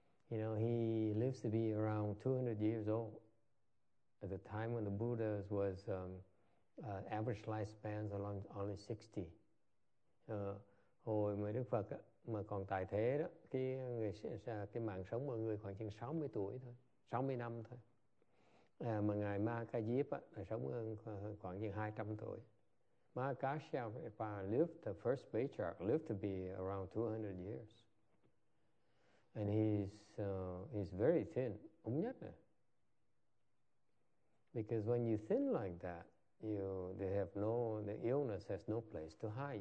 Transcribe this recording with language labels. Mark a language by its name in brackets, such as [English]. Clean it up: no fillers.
[English] You know, he lives to be around 200 years old. At the time when the Buddha was average lifespan is only 60. [Vietnamese] Hồi mà Đức Phật mà còn tại thế đó, cái mạng sống mọi người khoảng chừng 60 tuổi thôi, 60 năm thôi. Mà ngài Mahakayip là sống khoảng chừng 200 tuổi. [English] Mahakashyapa lived, the first patriarch lived to be around 200 years. And he's very thin, [Vietnamese] ống nhất này. [English] Because when you thin like that, the illness has no place to hide.